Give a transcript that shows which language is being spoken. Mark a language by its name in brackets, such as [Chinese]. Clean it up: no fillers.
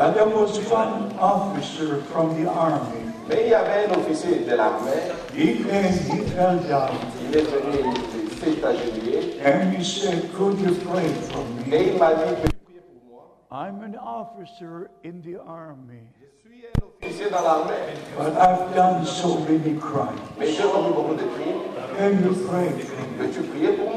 [English] And there was one officer from the army. [French] Mais il y avait un officier de l'armée. [English] He came, he fell down. [French] Il est venu. [English] And he said, could you pray for me? I'm an officer in the army. But I've done so many crimes. Can you pray for me?